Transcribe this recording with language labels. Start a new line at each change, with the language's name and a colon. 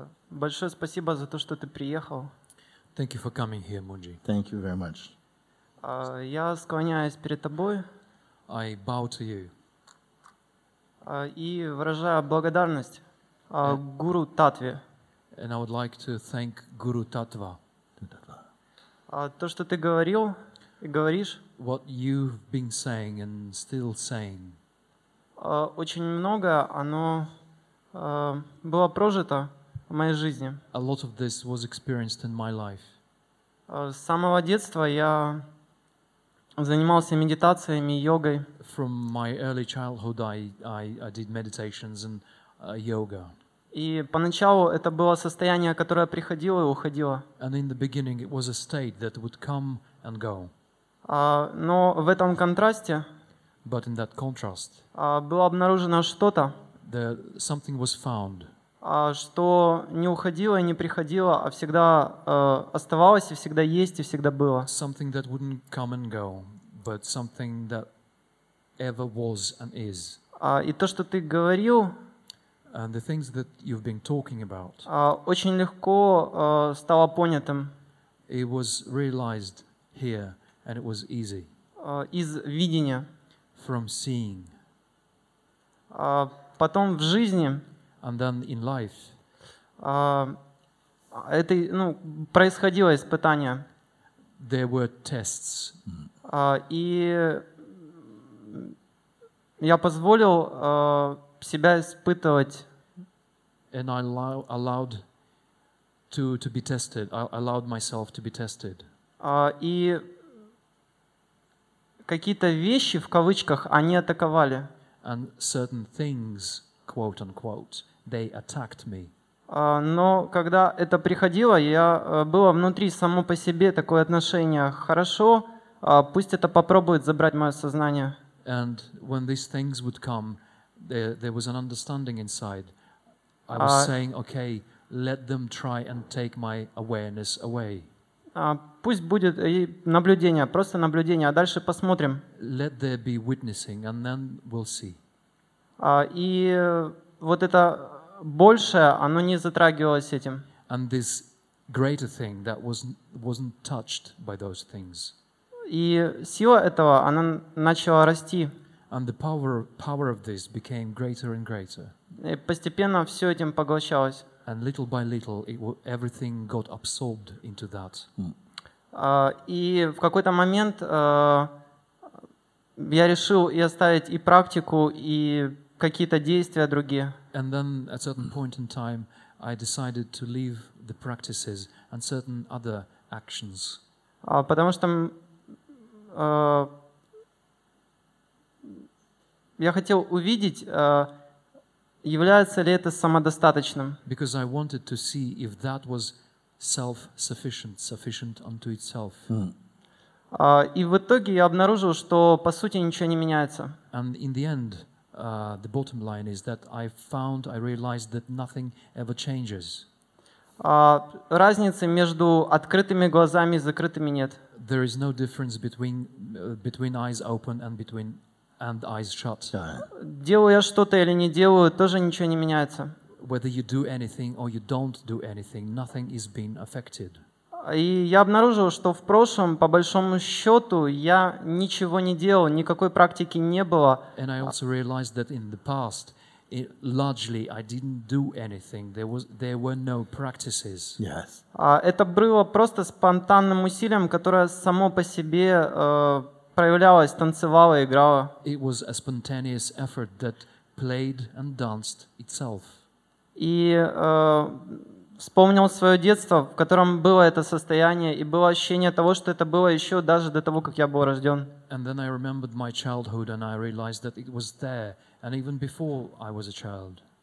Russian: Большое спасибо за то, что ты приехал.
English: Thank you for coming here, Muji. Thank you very much.
Russian: Я склоняюсь перед тобой.
English: I bow to you.
Russian: И выражаю благодарность Гуру Татве.
English: And I would like to thank Guru Tattva.
Russian: То, что ты говорил и говоришь.
English: What you've been saying and still saying.
Russian: Очень многое, оно было прожито в моей жизни.
English: A lot of this was experienced in my life.
Russian: С самого детства я занимался медитациями, йогой.
English: From my early childhood I did meditations and yoga.
Russian: И поначалу это было состояние, которое приходило и уходило.
English: And in the beginning it was a state that would come and go.
Russian: Но в этом контрасте
English: But in that contrast,
Russian: было обнаружено что-то,
English: something was found,
Russian: что не уходило и не приходило, а всегда оставалось и всегда есть и всегда было.
English: Something that wouldn't come and go, but something that ever was and is.
Russian: И то, что ты говорил,
English: and the things that you've been talking about,
Russian: очень легко стало понятым.
English: It was realized here, and it was easy.
Russian: Из видения.
English: From seeing.
Russian: Потом в жизни.
English: And then in life.
Russian: Это, ну, происходило испытание.
English: There were tests.
Russian: И я позволил себя испытывать.
English: And I allowed to be tested. I allowed myself to be tested.
Russian: И какие-то вещи, в кавычках, они атаковали.
English: And certain things, quote unquote, they attacked me.
Russian: Но когда это приходило, я было внутри само по себе такое отношение. Хорошо, пусть это попробует забрать мое сознание.
English: And when these things would come, there was an understanding inside. I was saying, okay, let them try and take my awareness away.
Russian: Пусть будет и наблюдение, просто наблюдение, а дальше посмотрим.
English: Let there be witnessing, and then we'll see.
Russian: И вот это большее, оно не затрагивалось этим.
English: And this greater thing that wasn't touched by those things.
Russian: И сила этого, она начала расти.
English: And the power of this became greater and greater.
Russian: И постепенно все этим поглощалось.
English: And little by little, everything got absorbed into that.
Russian: И в какой-то момент я решил и оставить и практику, и какие-то действия другие.
English: And then at certain point in time, I decided to leave the practices and certain other actions.
Russian: Потому что я хотел увидеть... Является ли это самодостаточным?
English: Because I wanted to see if that was self-sufficient, sufficient unto itself.
Russian: И в итоге я обнаружил, что по сути ничего не меняется.
English: And in the end, the bottom line is that I realized that nothing ever changes.
Russian: Разницы между открытыми глазами и закрытыми нет.
English: There is no difference between eyes open and between And eyes shut.
Russian: Делаю я что-то или не делаю, тоже ничего не меняется.
English: Whether you do anything or you don't do anything, nothing is being affected.
Russian: И я обнаружил, что в прошлом, по большому счету, я ничего не делал, никакой практики не было.
English: And I also realized that in the past, largely I didn't do anything. There were no practices. Yes.
Russian: Это было просто спонтанным усилием, которое само по себе проявлялась, танцевала, играла.
English: It was a spontaneous effort that played and danced itself.
Russian: И вспомнил свое детство, в котором было это состояние, и было ощущение того, что это было еще даже до того, как я был рожден.
English: And then I remembered my childhood, and I realized that it was there, and even before I was a child.